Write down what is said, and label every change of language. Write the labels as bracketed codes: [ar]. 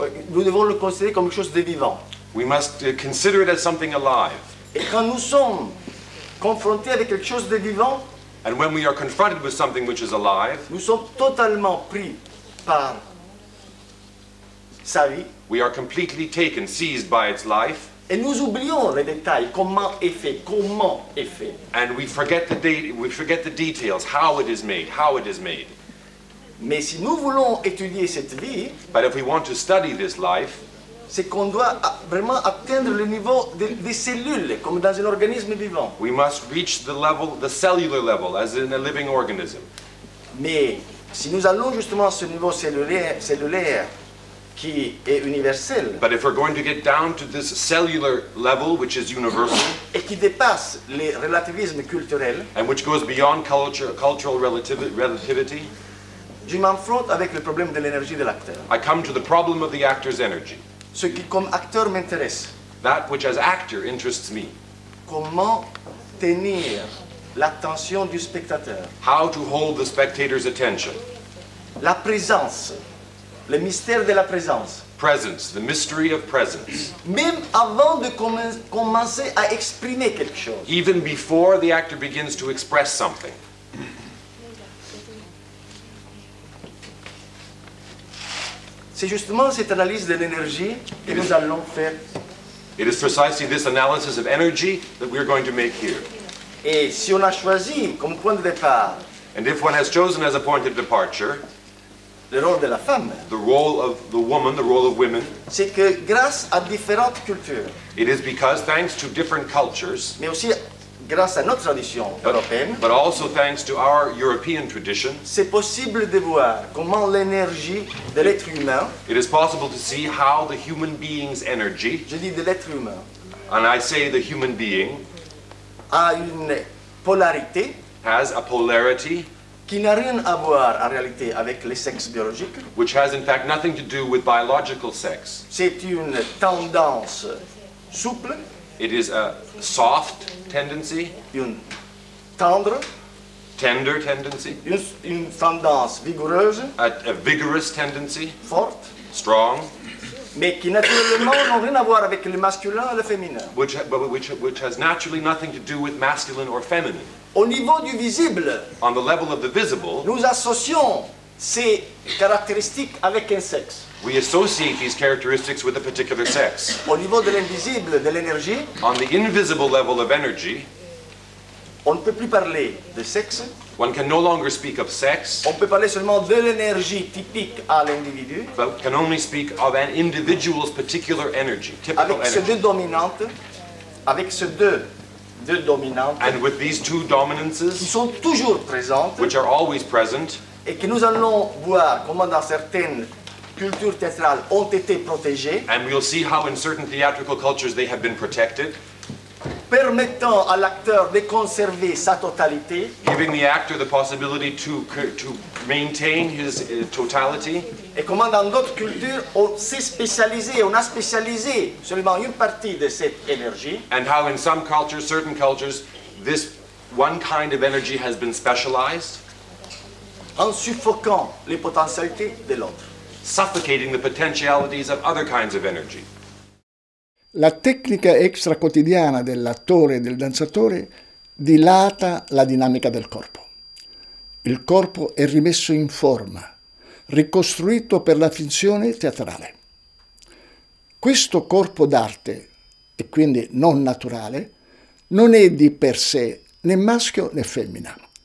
[fr] nous devons le considérer comme quelque chose de vivant. [en] We must consider it as something alive. [fr] Et quand nous sommes confrontés avec quelque chose de vivant, [en] and when we are confronted with something which is alive, [fr] nous sommes totalement pris par sa vie. [en] We are completely taken, seized by its life. [fr] Et nous oublions les détails, comment est fait. [en] And we forget the details, how it is made. [fr] Mais si nous voulons étudier cette vie, [en] but if we want to study this life, [fr] c'est qu'on doit vraiment atteindre le niveau des cellules, comme dans un organisme vivant. [en] We must reach the level, the cellular level, as in a living organism. [fr] Mais si nous allons justement à ce niveau cellulaire qui est universel, [en] but if we're going to get down to this cellular level, which is universal, [fr] et qui dépasse les relativismes culturels, [en] and which goes beyond cultural relativity, [fr] je m'enfronte avec le problème de l'énergie de l'acteur. [en] I come to the problem of the actor's energy. [fr] Ce qui comme acteur m'intéresse. [en] That which as actor interests me. [fr] Comment tenir l'attention du spectateur. [en] How to hold the spectator's attention. [fr] La présence. Le mystère de la présence. [en] Presence, the mystery of presence. [fr] Même avant de commencer à exprimer quelque chose. [en] Even before the actor begins to express something. [fr] C'est justement cette analyse de l'énergie que nous allons faire. [en] It is precisely this analysis of energy that we are going to make here. [fr] Et si on a choisi comme point de départ, [en] and if one has chosen as a point of departure, [fr] le rôle de la femme, [en] the role of the woman, the role of women, [fr] c'est que grâce à différentes cultures, [en] it is because thanks to different cultures, [fr] mais aussi grâce à notre tradition européenne, [en] but also thanks to our European tradition, [fr] c'est possible de voir comment l'énergie de l'être humain, [en] it is possible to see how the human being's energy, [fr] je dis de l'être humain, [en] and I say the human being, [fr] a une polarité, [en] has a polarity, [fr] qui n'a rien à voir en réalité avec le sexe biologique, [en] which has in fact nothing to do with biological sex. [fr] C'est une tendance souple. [en] It is a soft tendency, [fr] une tendre, [en] tender tendency, [fr] une tendance vigoureuse, [en] a vigorous tendency, [fr] forte, [en] strong, [fr] mais qui naturellement n'ont rien à voir avec le masculin et le féminin. [en] Which has naturally nothing to do with masculine or feminine. [fr] Au niveau du visible, [en] on the level of the visible, [fr] nous associons ces caractéristiques avec un sexe. [en] We associate these characteristics with a particular sex. [fr] Au niveau de l'invisible, de l'énergie, [en] on the invisible level of energy, [fr] on ne peut plus parler de sexe. [en] One can no longer speak of sex. [fr] On peut parler seulement de l'énergie typique à l'individu. [en] But can only speak of an individual's particular energy, typical [fr] avec [en] energy. [fr] Avec ces deux dominantes, avec ces deux dominantes. [en] And with these two dominances, [fr] qui sont toujours présentes, [en] which are always present, [fr] et que nous allons voir comment dans certaines cultures théâtrales ont été protégées. [en] And we'll see how in certain theatrical cultures they have been protected. [fr] Permettant à l'acteur de conserver sa totalité, [en] giving the actor the possibility to maintain his totality, [fr] et comment dans d'autres cultures on s'est spécialisé, on a spécialisé seulement une partie de cette énergie, [en] and how in some cultures, certain cultures, this one kind of energy has been specialized, [fr] en suffoquant les potentialités de l'autre, [en] suffocating the potentialities of other kinds of energy. [it] La tecnica extra quotidiana dell'attore e del danzatore dilata la dinamica del corpo. Il corpo è rimesso in forma, ricostruito per la finzione teatrale. Questo corpo d'arte, e quindi non naturale, non è di per sé né maschio né femmina.